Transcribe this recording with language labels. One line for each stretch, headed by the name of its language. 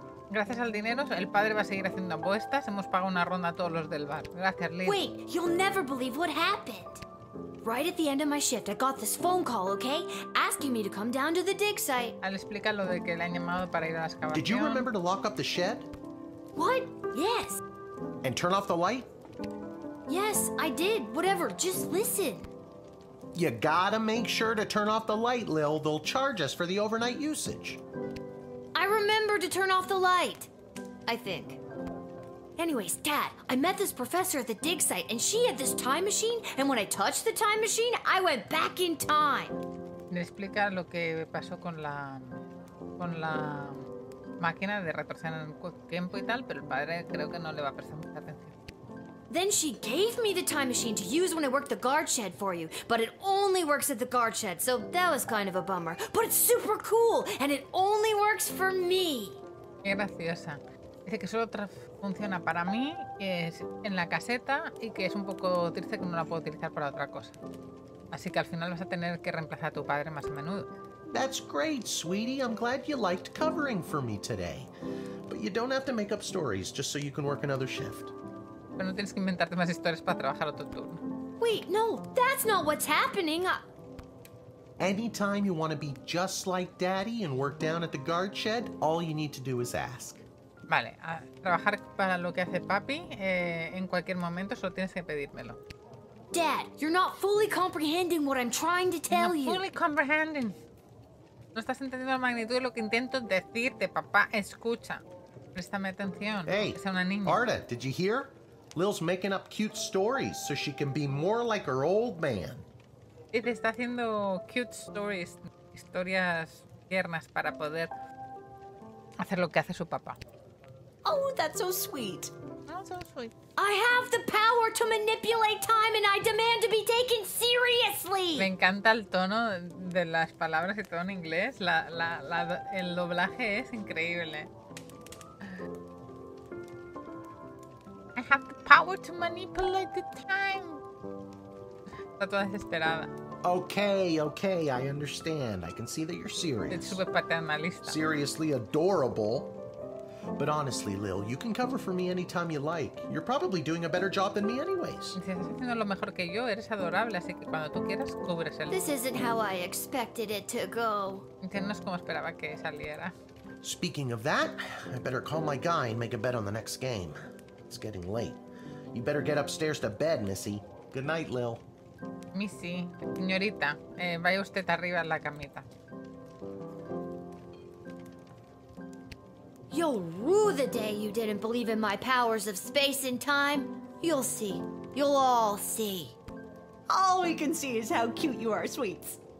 Spanish: Gracias al dinero, el padre va a seguir haciendo apuestas. Hemos pagado una ronda a todos los del bar. Gracias, Lee.
English: Wait, you'll never believe what happened. Right at the end of my shift, I got this phone call, okay? Asking me to come down to the dig site.
Spanish: Al explicar lo de que le han llamado para ir a la excavación.
English: Did you remember to lock up the shed? What? Yes. And turn off the light? Yes, I did. Whatever, just listen. You gotta make sure to turn off the light, Lil. They'll charge us for the overnight usage. I remember to turn off the light, I think. Anyways, Dad, I met this professor at the dig site, and she had this time machine, and when I touched the time machine, I went back in time.
Spanish: Me explica lo que pasó con la máquina de retroceder en el tiempo y tal, pero el padre creo que no le va a prestar mucha atención.
English: Then she gave me the time machine to use when I worked the guard shed for you, but it only works at the guard shed, so that was kind of a bummer. But it's super cool, and it only works for me.
Spanish: Qué graciosa. Dice que solo funciona para mí, que es en la caseta, y que es un poco triste que no la puedo utilizar para otra cosa. Así que al final vas a tener que reemplazar a tu padre más a menudo.
English: That's great, sweetie. I'm glad you liked covering for me today. But you don't have to make up stories just so you can work another shift.
Spanish: Pero no tienes que inventarte más historias para trabajar otro turno.
English: Wait, no, that's not what's happening. Anytime you want to be just like Daddy and work down at the guard shed, all you need to do is ask.
Spanish: Vale, a trabajar para lo que hace papi, en cualquier momento solo tienes que pedírmelo.
English: Dad, you're not fully comprehending what I'm trying to tell you. Not fully comprehending.
Spanish: No estás entendiendo la magnitud de lo que intento decirte, papá. Escucha. Préstame atención.
English: Hey,
Spanish: es una niña.
English: Arda, did you hear? Lil's making up cute stories so she can be more like her old man.
Spanish: Y te está haciendo
English: cute stories,
Spanish: historias tiernas para poder hacer lo que hace su papá.
English: Oh, that's so sweet. That's so sweet. I have the power to manipulate time and I demand to be taken seriously.
Spanish: Me encanta el tono de las palabras y todo en inglés. El doblaje es increíble.
English: I have the power to manipulate the time.
Spanish: Está toda desesperada.
English: Okay, I understand. I can see that you're serious.
Spanish: Es súper paternalista.
English: Seriously adorable. But honestly, Lil, you can cover for me anytime you like. You're probably doing a better job than me anyways.
Spanish: Estás haciendo lo mejor que yo. Eres adorable, así que cuando tú quieras, cubres el...
English: This isn't how I expected it to go.
Spanish: No es como esperaba que saliera.
English: Speaking of that, I better call my guy and make a bet on the next game. It's getting late. You better get upstairs to bed, Missy. Good night, Lil.
Spanish: Missy, señorita, vaya usted arriba a la camita.
English: You'll rue the day you didn't believe in my powers of space and time. You'll see. You'll all see. All we can see is how cute you are, sweets.